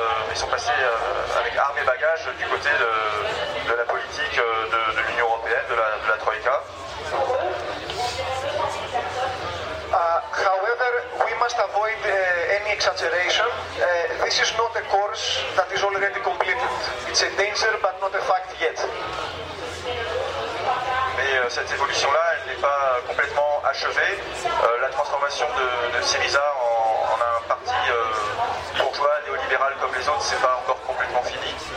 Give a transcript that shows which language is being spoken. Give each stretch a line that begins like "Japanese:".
French: Ils sont passés avec armes et bagages du côté de la politique de l'Union européenne, de la Troïka.
English: However, we must avoid any exaggeration. This is not a course that is already completed. It's a danger, but not a fact yet.
French: Mais cette évolution-là, elle n'est pas complètement achevée. La transformation de Syriza en un parti bourgeois, néolibéral comme les autres, c'est pas encore complètement fini.